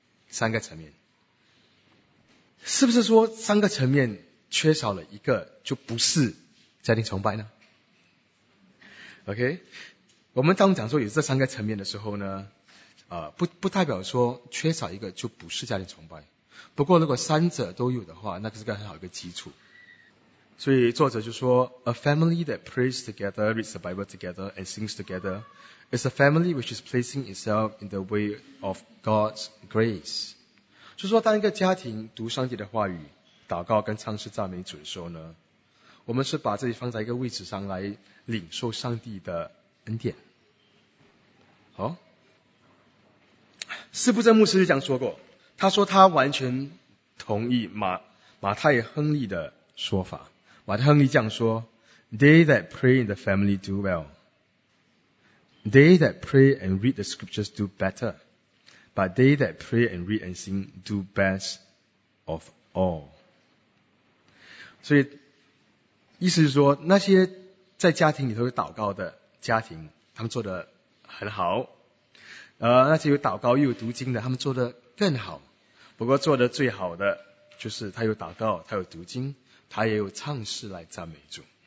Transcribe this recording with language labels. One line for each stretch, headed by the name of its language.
Chinese: 三个层面，是不是说三个层面缺少了一个就不是家庭崇拜呢？ OK， 我们当讲说有这三个层面的时候呢，不代表说缺少一个就不是家庭崇拜，不过如果三者都有的话，那是个很好一个基础。所以作者就说
English: A family that prays together, reads the Bible together and sings together is a family which is placing itself in the way of God's grace.
Chinese: 就是说当一个家庭读上帝的话语、祷告跟唱诗赞美主的时候呢，我们是把自己放在一个位置上来领受上帝的恩典。哦，斯布正牧师就这样说过，他说他完全同意马太亨利的说法。马太亨利这样说
English: ：They that pray in the family do well. They that pray and read the scriptures do better. But they that pray and read and sing do best of all.
Chinese: 所以意思是说，那些在家庭里头有祷告的家庭，他们做得很好；那些有祷告又有读经的，他们做得更好。不过做得最好的就是他有祷告，他有读经，他也有唱诗来赞美主。